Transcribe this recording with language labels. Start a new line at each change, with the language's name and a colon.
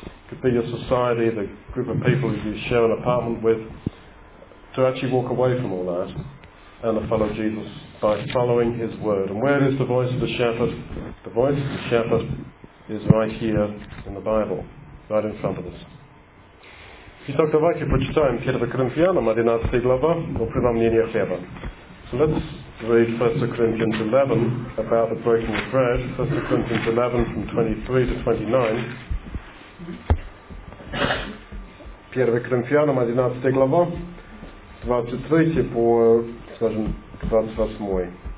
English: could be your society, the group of people you share an apartment with, to actually walk away from all that and to follow Jesus by following his word. And where is the voice of the shepherd? The voice of the shepherd is right here in the Bible, right in front of us.
Russian: Итак, давайте прочитаем 1 Коринфянам 11 глава, но при во мнении хлеба.
English: So let's read 1 Corinthians 11 about the breaking of bread, 1 Corinthians 11 from 23 to 29.
Russian: 1 Коринфянам 11 глава, 23 по, скажем, 28.